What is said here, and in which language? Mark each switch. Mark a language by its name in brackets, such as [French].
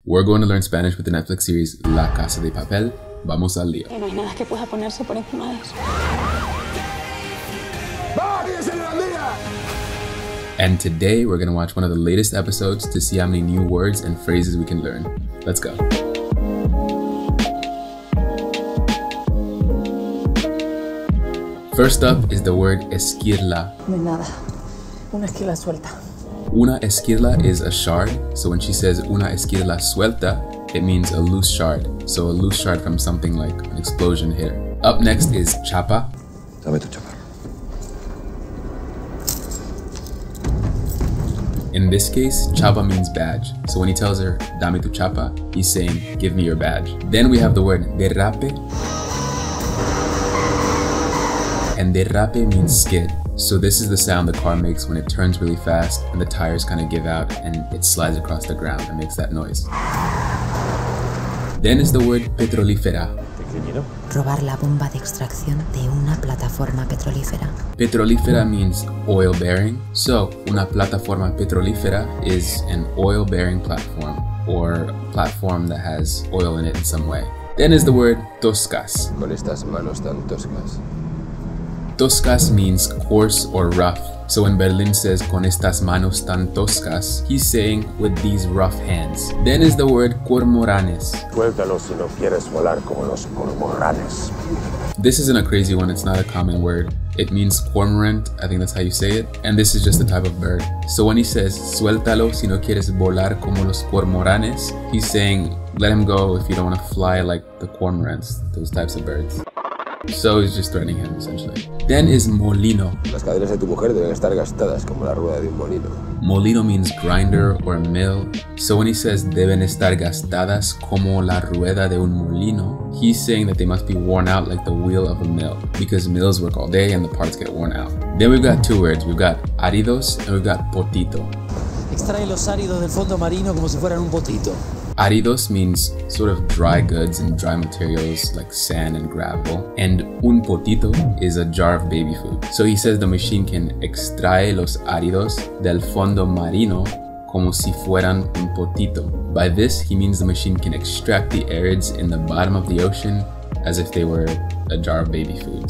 [English] We're going to learn Spanish with the Netflix series La Casa de Papel. [Spanish] Vamos al lío. Y no hay nada que pueda ponerse por encima de eso. ¡Vamos en la mira! [English] And today we're going to watch one of the latest episodes to see how many new words and phrases we can learn. Let's go. First up is the word esquirla. [Spanish] No nada. Una esquirla suelta. [English] Una esquirla is a shard. So when she says [Spanish] una esquirla suelta, [English] it means a loose shard. So a loose shard from something like an explosion hit her. Up next is chapa. [Spanish] Dame tu chapa. [English] In this case, chapa means badge. So when he tells her, [Spanish] dame tu chapa, [English] he's saying, give me your badge. Then we have the word derrape. And derrape means skid. So this is the sound the car makes when it turns really fast and the tires kind of give out and it slides across the ground and makes that noise. Then is the word petrolífera. [Spanish] Robar la bomba de extracción de una plataforma petrolífera. [English] Petrolífera means oil bearing. So [Spanish] una plataforma petrolífera [English] is an oil bearing platform or platform that has oil in it in some way. Then is the word toscas. [Spanish] Con estas manos tan toscas. [English] Toscas means coarse or rough. So when Berlin says, [Spanish] con estas manos tan toscas, [English] he's saying, with these rough hands. Then is the word cormoranes. [Spanish] Suéltalo si no quieres volar como los cormoranes. [English] This isn't a crazy one, it's not a common word. It means cormorant, I think that's how you say it. And this is just a type of bird. So when he says, [Spanish] suéltalo si no quieres volar como los cormoranes, [English] he's saying, let him go if you don't want to fly like the cormorants, those types of birds. So he's just threatening him, essentially. Then is molino. [Spanish] Las caderas de tu mujer deben estar gastadas como la rueda de un molino. [English] Molino means grinder or mill. So when he says [Spanish] deben estar gastadas como la rueda de un molino, [English] he's saying that they must be worn out like the wheel of a mill, because mills work all day and the parts get worn out. Then we've got two words. We've got áridos and we've got potito. [Spanish] Extrae los áridos del fondo marino como si fueran un potito. [English] Áridos means sort of dry goods and dry materials like sand and gravel. And un potito is a jar of baby food. So he says the machine can [Spanish] extrae los áridos del fondo marino como si fueran un potito. [English] By this, he means the machine can extract the arids in the bottom of the ocean as if they were a jar of baby food.